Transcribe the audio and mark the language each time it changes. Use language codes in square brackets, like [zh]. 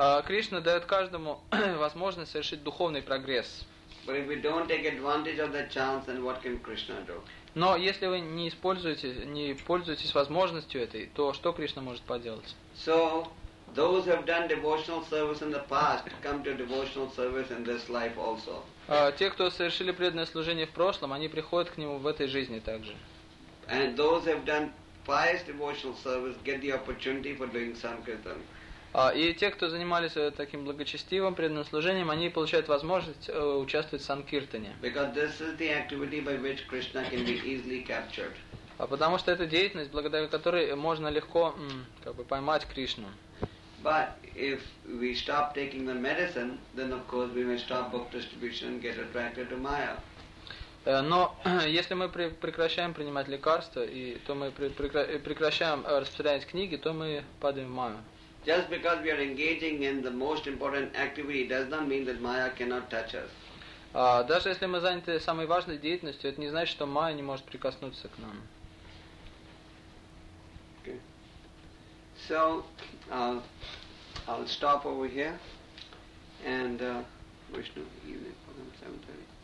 [ru] Кришна дает каждому возможность совершить духовный прогресс. [en] But if we don't take advantage of that chance, then what can Krishna do? [ru] Но если вы не пользуетесь возможностью этой, то что Кришна может поделать? [en] So those who have done devotional service in the past come to devotional service in this life also. [ru] Те, кто совершили преданное служение в прошлом, они приходят к нему в этой жизни также. [en] And those who have done pious devotional service get the opportunity for doing sankirtan. [ru] И те, кто занимались таким благочестивым преданным служением, они получают возможность участвовать в санкиртане. [en] Because this is the activity by which Krishna can be easily captured. [ru] Потому что это деятельность, благодаря которой можно легко поймать Кришну. [en] But if we stop taking the medicine, then of course we may stop book distribution and get attracted to Maya. [ru] Но если мы прекращаем принимать лекарства, и то мы прекращаем распространять книги, то мы падаем в Майю. [en] Just because we are engaging in the most important activity does not mean that Maya cannot touch us. [ru] Даже если мы заняты самой важной деятельностью, это не значит, что Майя не может прикоснуться к нам. [en] Okay. So I'll stop over here and wish you evening for 7:30.